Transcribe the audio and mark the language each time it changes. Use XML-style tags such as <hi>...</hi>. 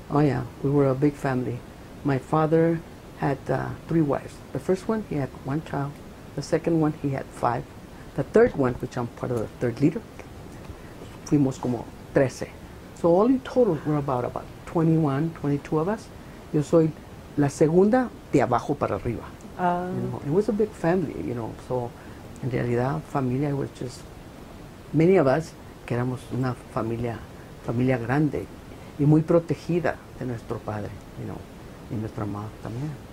<en>Oh yeah, we were a big family. My father had 3 wives. The first one, he had 1 child. The second one, he had 5. The third one, which I'm part of the third leader,</en> <es>fuimos como 13.</es> <en>So all in total, we're about 21, 22 of us.</en> <es>Yo soy la segunda de abajo para arriba.</es> <en>You know, it was a big family, you know. So in</en> <es>realidad, familia</es> <en>was just many of us</en> <es>que éramos una familia grande y muy protegida de nuestro padre,</es> <en>you know,</en> <es>y nuestra mamá también.</es>